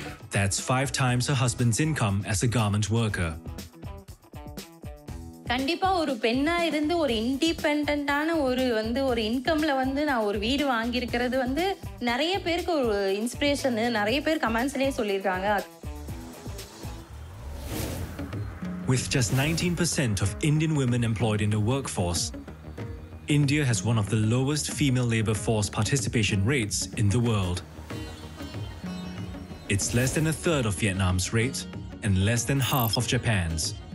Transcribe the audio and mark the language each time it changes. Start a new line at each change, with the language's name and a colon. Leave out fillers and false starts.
English: That's 5 times her husband's income as a garment worker.
Tamil: கண்டிப்பா ஒரு பெண்ணா இருந்து ஒரு இண்டிபெண்டான ஒரு வந்து ஒரு இன்கம்ல வந்து நான் ஒரு வீடு வாங்கியிருக்கிறது வந்து நிறைய பேருக்கு ஒரு இன்ஸ்பிரேஷன், நிறைய பேர் கமெண்ட்ஸ்லயே சொல்லியிருக்காங்க.
English: With just 19% of Indian women employed in the workforce, India has one of the lowest female labor force participation rates in the world. It's less than a third of Vietnam's rate and less than half of Japan's.